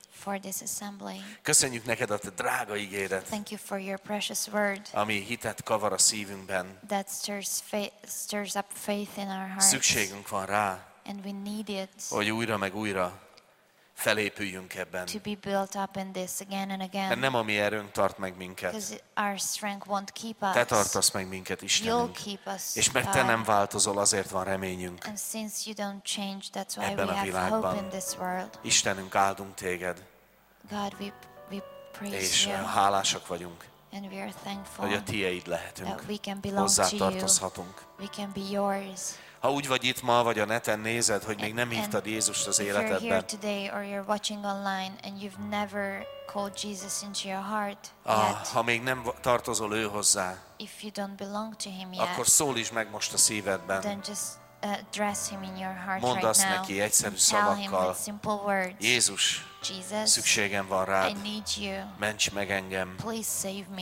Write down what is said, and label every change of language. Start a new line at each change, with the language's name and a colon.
English: For this assembly.
Hungarian: Köszönjük neked a te drága ígédet.
English: Thank you for your precious word.
Hungarian: Ami hitet kavar a szívünkben.
English: That stirs up faith in our hearts.
Hungarian: Szükségünk van rá.
English: And we need it.
Hungarian: Hogy újra meg újra felépüljünk ebben.
English: To be built up in this again and again.
Hungarian: De nem a mi erőnk tart meg minket.
English: Because our strength won't keep us.
Hungarian: Te tartasz meg minket, Istenünk.
English: You'll keep us.
Hungarian: És mert te nem változol, azért van reményünk.
English: And since you don't change, that's why
Hungarian: ebben
English: we have
Hungarian: világban.
English: Hope in this world.
Hungarian: Istenünk, áldunk téged.
English: God, we praise
Hungarian: és
English: you.
Hungarian: És hálásak vagyunk.
English: And we are thankful.
Hungarian: Hogy a tiéd lehetünk.
English: That we can belong to you.
Hungarian: Hozzátartozhatunk.
English: We can be yours.
Hungarian: Ha úgy vagy itt ma, vagy a neten nézed, hogy még nem hívtad Jézust az életedben.
English: Today or you're watching online and you've never called Jesus into your heart.
Hungarian: Ha még nem tartozol ő hozzá.
English: If you don't belong to him yet.
Hungarian: Akkor szólíts meg most a szívedben.
English: Then just address him in your heart.
Hungarian: Mondd
English: right now.
Hungarian: Neki egyszerű szavakkal.
English: Tell him with simple words.
Hungarian: Jézus,
English: Jesus,
Hungarian: szükségem van rád.
English: I need you.
Hungarian: Ments meg engem.
English: Please save me.